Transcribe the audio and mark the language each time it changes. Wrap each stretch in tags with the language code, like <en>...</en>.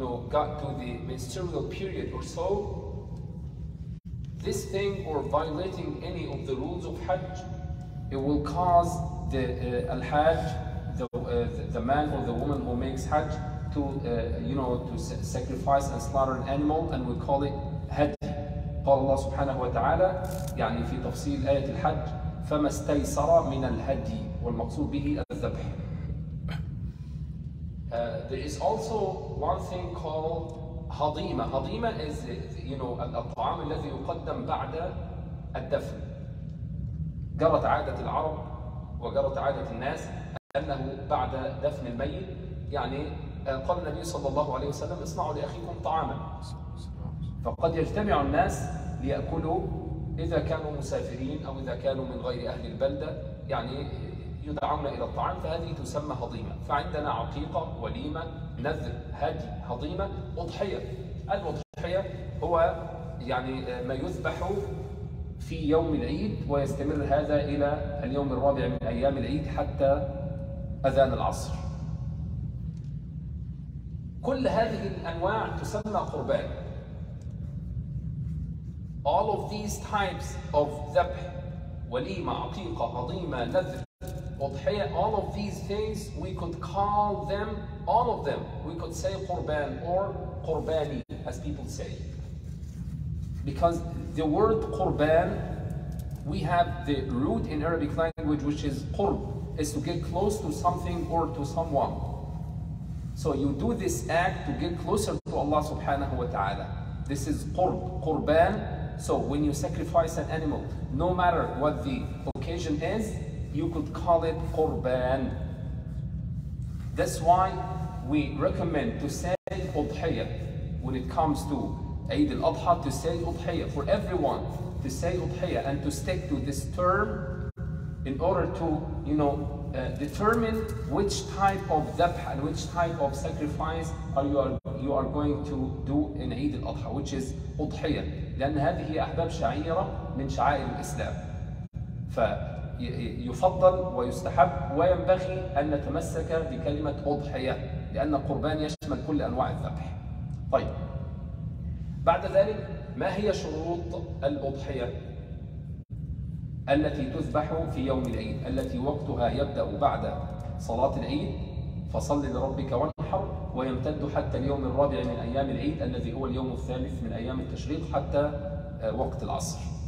<en>got to the menstrual period or so, this thing or violating any of the rules of hajj, it will cause the al-hajj, the man or the woman who makes hajj, to sacrifice and slaughter an animal, and we call it hadi.</en> <ar>قال الله سبحانه وتعالى يعني في تفصيل آية الحج فما استيسر من الهدي والمقصود به الذبح.</ar> <en>There is also one thing called هضيمة.</en> <ar>هضيمة</ar> <en>is</en> <ar>الطعام الذي يقدم بعد الدفن. جرت عادة العرب وجرت عادة الناس أنه بعد دفن الميت، يعني قال النبي صلى الله عليه وسلم اصنعوا لأخيكم طعاما، فقد يجتمع الناس ليأكلوا إذا كانوا مسافرين أو إذا كانوا من غير أهل البلدة، يعني يدعون إلى الطعام، فهذه تسمى هضيمة. فعندنا عقيقة، وليمة، نذر، هدي، هضيمة، أضحية. الأضحية هو يعني ما يذبح في يوم العيد، ويستمر هذا إلى اليوم الرابع من أيام العيد حتى أذان العصر. كل هذه الأنواع تسمى قربان.</ar> <en>All of these types of</en> <ar>ذبح، وليمة، عقيقة، هضيمة، نذر، أضحية،</ar> <en>all of these things we could call them, all of them we could say قربان or قرباني as people say. Because the word قربان, we have the root in Arabic language which is قرب, is to get close to something or to someone. So you do this act to get closer to Allah subhanahu wa ta'ala. This is قرب, قربان. So when you sacrifice an animal, no matter what the occasion is, you could call it قربان. That's why we recommend to say أضحية. When it comes to عيد الأضحى, to say أضحية. For everyone to say أضحية and to stick to this term in order to, you know, determine which type of ذبح and which type of sacrifice you are going to do in عيد الأضحى, which is أضحية.</en> <ar>لأن هذه أحباب شعيرة من شعائر الإسلام. فيفضل ويستحب وينبغي أن نتمسك بكلمة أضحية, لأن القربان يشمل كل أنواع الذبح. طيب, بعد ذلك ما هي شروط الأضحية التي تذبح في يوم العيد, التي وقتها يبدأ بعد صلاة العيد, فصل لربك وانحر, ويمتد حتى اليوم الرابع من أيام العيد الذي هو اليوم الثالث من أيام التشريق حتى وقت العصر.</ar>